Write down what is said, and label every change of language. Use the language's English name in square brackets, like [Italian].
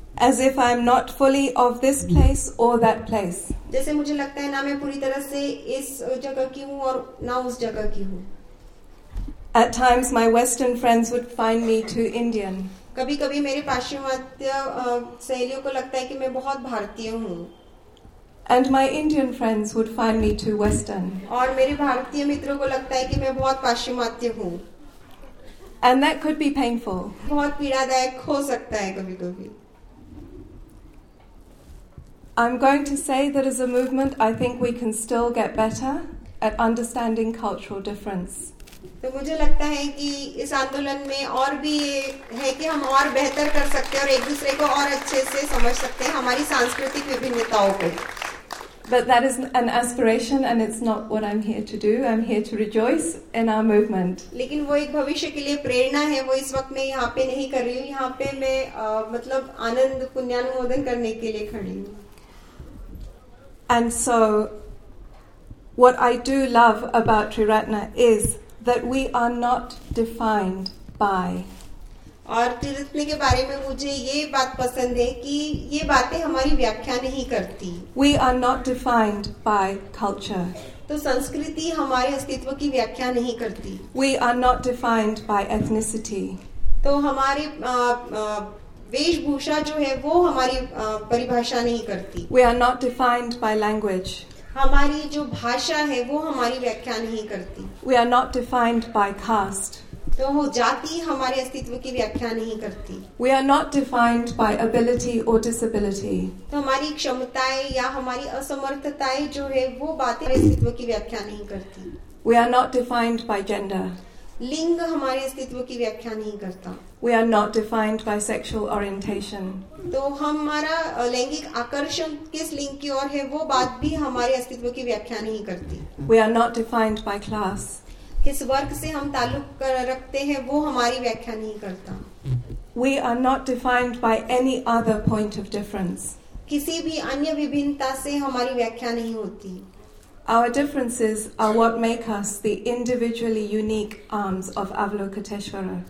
[English] As if I am not fully of this place or that place. [Hindi] जैसे मुझे लगता है ना मैं पूरी तरह से इस जगह की हूँ और ना उस जगह की हूँ. [English] At times, my Western friends would find me too Indian. [Hindi] कभी-कभी मेरे पाश्चिमात्य सहेलियों को लगता है कि मैं बहुत भारतीय हूँ. [English] And my Indian friends would find me too Western. [Hindi] और मेरे भारतीय मित्रों को लगता है कि मैं बहुत पाश्चिमात्य हूँ. [English] And that could be painful. [Hindi] बहुत पीड़ादायक हो सकता है कभी-कभी. [English] I'm going to say that as a movement, I think we can still get better at understanding cultural difference. [Hindi] तो मुझे लगता है कि इस आंदोलन में और भी है कि हम और बेहतर कर सकते हैं और एक दूसरे को और अच्छे से समझ सकते हैं हमारी सांस्कृतिक विभिन्नताओं को. [English] But that is an aspiration, and it's not what I'm here to do. I'm here to rejoice in our movement. [Hindi] लेकिन वो एक भविष्य के लिए प्रेरणा है. वो इस वक्त मैं यहाँ पे नहीं कर रही हूँ. यहाँ पे मैं मतलब आनंद पुण्यानुमोदन करने के लिए खड़ी हूँ. [English] And so, what I do love about Tri Ratna is that we are not defined by. [Hindi] और Tri Ratna के बारे में मुझे ये बात पसंद है कि ये बातें हमारी व्याख्या नहीं करती. [English] We are not defined by culture. [Hindi] तो संस्कृति हमारे अस्तित्व की व्याख्या नहीं करती. [English] We are not defined by ethnicity. [Hindi] तो हमारे वेशभूषा जो है वो हमारी परिभाषा नहीं करती. [English] We are not defined by language. [Hindi] हमारी जो भाषा है वो हमारी व्याख्या नहीं करती. [English] We are not defined by caste. [Hindi] तो वो जाति हमारे अस्तित्व की व्याख्या नहीं करती. [English] We are not defined by ability or disability. [Hindi] तो हमारी क्षमताएं या हमारी असमर्थताएं जो है वो बातें हमारे अस्तित्व की व्याख्या नहीं करती. [English] We are not defined by gender. [Hindi] लिंग हमारे अस्तित्व की व्याख्या नहीं करता. [English] We are not defined by sexual orientation. [Hindi] तो हमारा लैंगिक आकर्षण किस लिंग की ओर है वो बात भी हमारे अस्तित्व की व्याख्या नहीं करती. [English] We are not defined by class. [Hindi] किस वर्ग से हम ताल्लुक रखते हैं वो हमारी व्याख्या नहीं करता. [English] We are not defined by any other point of difference. [Hindi] किसी भी अन्य विभिन्नता से हमारी व्याख्या नहीं होती. [English] Our differences are what make us the individually unique arms of Avalokiteshvara.